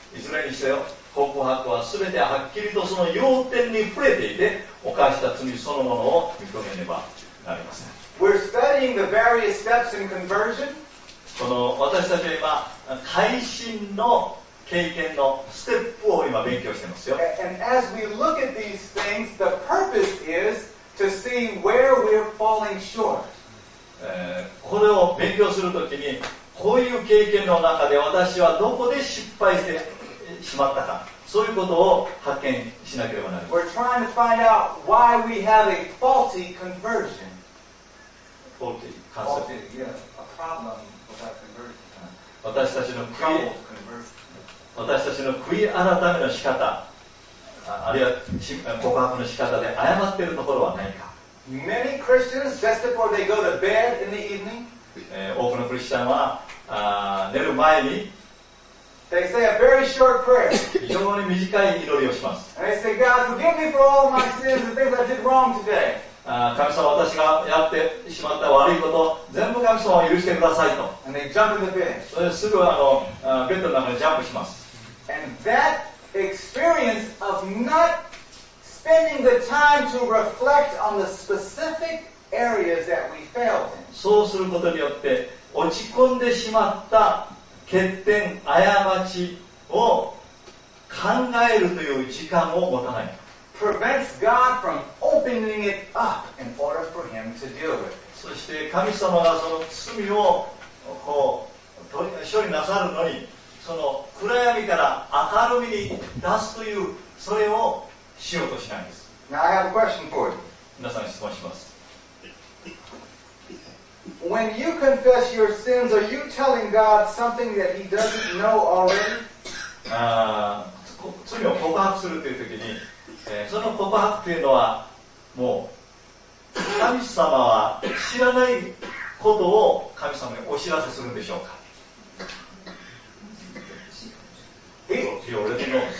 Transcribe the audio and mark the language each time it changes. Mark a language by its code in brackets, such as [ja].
[ja] いずれにせよ告白は全てはっきりとその要点に触れていて、犯した罪そのものを認めねばなりません。 [en] We're studying the various steps in conversion. [ja] この私たちは今改心の経験のステップを今勉強していますよ。 [en] And as we look at these things, the purpose is to see where we're falling short. [ja] これを勉強するときに、こういう経験の中で私はどこで失敗してしまったか、そういうことを発見しなければなりません。 [en] We're trying to find out why we have a faulty conversion. Faulty concept. Faulty, yeah, a problem with that conversion. [ja] 私たちの悔い改めの仕方、あるいは告白の仕方で誤っているところはないか。 [en] Many Christians, just before they go to bed in the evening, [ja] 多くのクリスチャンは寝る前に、 [en] they say a very short prayer. [ja] 非常に短い祈りをします。 [en] And they say, God, forgive me for all my sins and things I did wrong today. [ja] 神様、私がやってしまった悪いこと全部神様を許してくださいと。 [en] And they jump in the bed. [ja] それですぐベッドの中にジャンプします。 [en] And that experience of not spending the time to reflect on the specific areas that we failed in. [ja] そうすることによって落ち込んでしまった欠点、過ちを考えるという時間を持たない。 [en] Prevents God from opening it up in order for Him to deal with. [ja] そして神様がその罪をこう処理なさるのに、その暗闇から明るみに出すというそれをしようとしないんです。 [en] Now I have a question for you. [ja] 皆さんに質問します。 [en] When you confess your sins, are you telling God something that He doesn't know already? [ja] 罪を告白するという時に、その告白というのはもう神様は知らないことを神様にお知らせするんでしょうか。 [en] He already knows.